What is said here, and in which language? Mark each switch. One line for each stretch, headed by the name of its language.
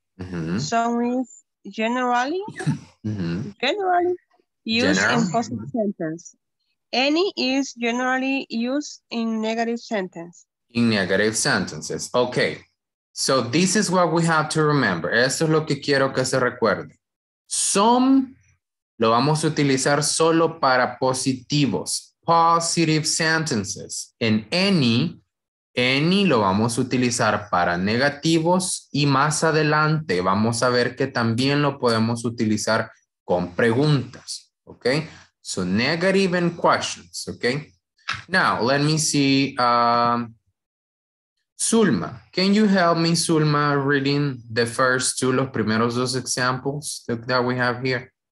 English: Mm-hmm. Some is generally, mm-hmm. generally used in positive sentence. Any is generally used in negative sentence. In negative sentences. Okay. So this is what we have to remember.
Spanish: Esto es lo que quiero que se recuerde. Some lo vamos a utilizar solo para positivos,
English: positive sentences.
Spanish: En any lo vamos a utilizar para negativos y más adelante vamos a ver que también lo podemos utilizar con preguntas, ¿ok?
English: So negative and questions, okay? Now, let me see. Zulma, can you help me, Zulma, reading the first two,
Spanish: los primeros dos
English: examples that we have here?